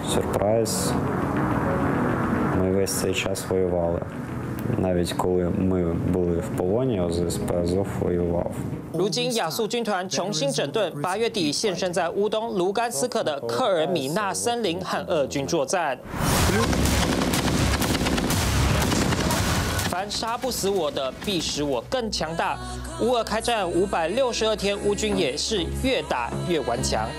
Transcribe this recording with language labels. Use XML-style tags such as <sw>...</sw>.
<en>Surprise!</en> <uk>Ми весь цей час воювали, навіть коли ми були в полоні, ОЗСП Азов воював.</uk> <zh>如今亚速军团重新整顿，八月底现身在乌东卢甘斯克的克尔米纳森林和俄军作战。凡杀不死我的，必使我更强大。乌俄开战562天，乌军也是越打越顽强。</zh>